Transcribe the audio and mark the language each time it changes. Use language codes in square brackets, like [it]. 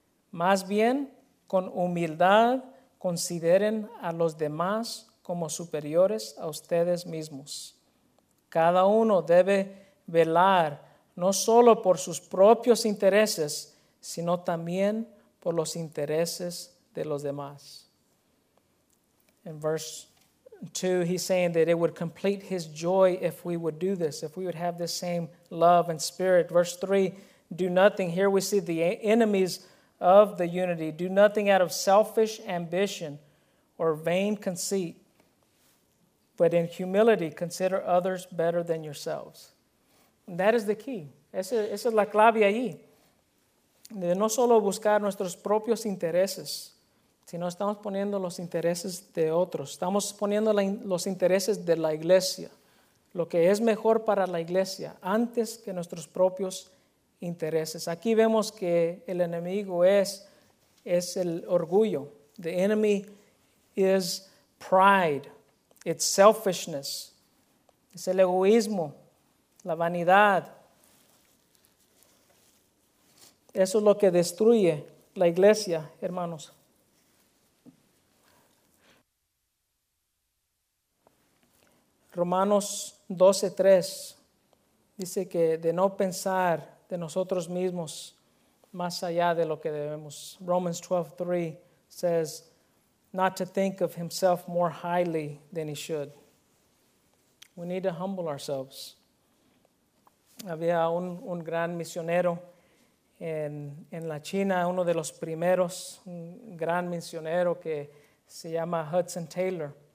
[es] Más bien, con humildad, consideren a los demás como superiores a ustedes mismos. Cada uno debe velar no solo por sus propios intereses, sino también por los intereses de los demás. [en] In verse 2, he's saying that it would complete his joy if we would do this, if we would have this same love and spirit. Verse 3, do nothing. Here we see the enemies of the unity. Do nothing out of selfish ambition or vain conceit, but in humility consider others better than yourselves. And that is the key. [es] Esa es la clave ahí. De no solo buscar nuestros propios intereses, sino estamos poniendo los intereses de otros. Estamos poniendo los intereses de la iglesia. Lo que es mejor para la iglesia antes que nuestros propios intereses. Aquí vemos que el enemigo es el orgullo. [en] The enemy is pride. It's selfishness. [es] Es el egoísmo, la vanidad. Eso es lo que destruye la iglesia, hermanos. Romanos 12:3 dice que de no pensar de nosotros mismos más allá de lo que debemos. [en] Romans 12:3 says not to think of himself more highly than he should. We need to humble ourselves. [es] Había un gran misionero en la China, uno de los primeros, un gran misionero que se llama Hudson Taylor.